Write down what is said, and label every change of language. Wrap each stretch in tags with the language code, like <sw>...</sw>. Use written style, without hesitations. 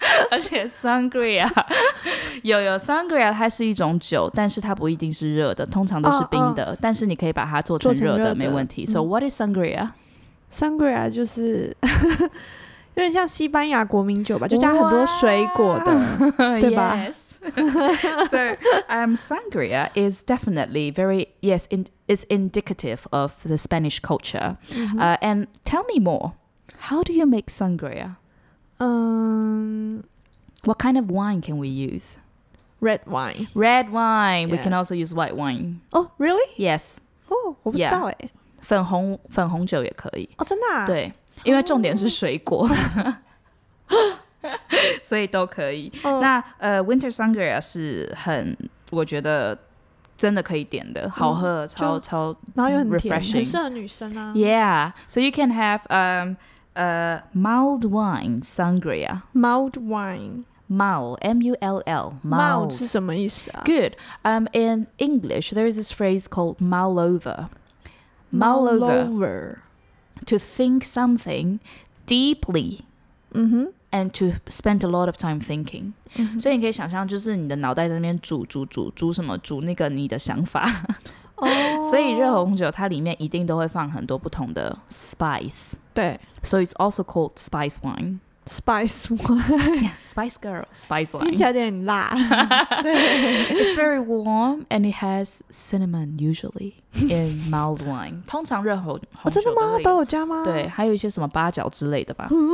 <zh>而且 Sangria 有 Sangria 它是一种酒，但是它不一定是热的，通常都是冰的。但是你可以把它做成热的，没问题。</zh> <en>So what is Sangria？</en> <zh>Sangria 就是。有点像西班牙国民酒吧，就加很多水果的，对吧？</zh> <en>yes. So sangria is definitely very, yes, it's indicative of the Spanish culture. Mm-hmm. And tell me more. How do you make sangria? What kind of wine can we use? Red wine. Red wine. Yeah. We can also use white wine. Oh, really? Yes.</en> <zh>Oh, 我不知道耶。粉红酒也可以。哦, 真的啊? 对, 因为重点是水果。所以都可以。</zh> <en>Oh.</en> <zh>那, winter sangria 是很, 我觉得, 真的可以点的, 好喝, 超, 超, 然后又很甜,</zh> <en>refreshing.</en> <zh>很适合女生啊。</zh> <en>Yeah, so you can have mild wine sangria. Mild wine. Mild, M-U-L-L.</en> <zh>Mild 是什么意思啊?</zh> <en>Good. In English, there is this phrase called mull over. Mull over. To think something deeply. Mm-hmm. And to spend a lot of time thinking. Mm-hmm.</en> <zh>所以你可以想象就是你的脑袋在那边煮什么煮那个你的想法。所以热红酒它里面一定都会放很多不同的 spice. 对。</zh> <en>So it's also called spice wine. Spice wine. Yeah, spice girl, spice wine.</en> <zh>听起来有点辣。</zh> <en>It's very warm and it has cinnamon usually in mild wine.</en> <zh>通常热红酒都会。真的吗?都有加吗? 对, 还有一些什么八角之类的吧。</zh>